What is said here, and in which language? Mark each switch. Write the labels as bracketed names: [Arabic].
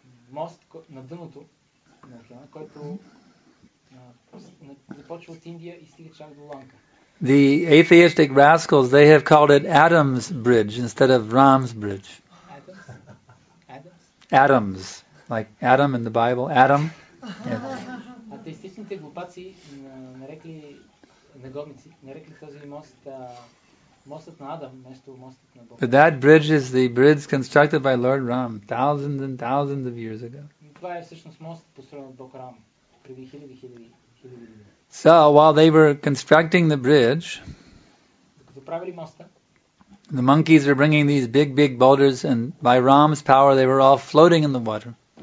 [Bulgarian] Мост на дъното на океана, който започва от Индия и стига чак до Ланка. [English] The atheistic rascals, they have called it Adam's Bridge instead of Ram's Bridge. Adam's? Adam's. Like Adam in the Bible. Adam. [Bulgarian] Атеистичните глупаци нарекли негодници, нарекли този мост мостът на Адам, вместо мостът на Бог. [English] But that bridge is the bridge constructed by Lord Ram thousands and thousands of years ago. [Bulgarian] Това е всъщност мост, построен от Бог Рам преди хиляди. [English] So while they were constructing the bridge, [Bulgarian] докато правили моста, [English] The monkeys were bringing these big, big boulders, and by Ram's power, they were all floating in the water.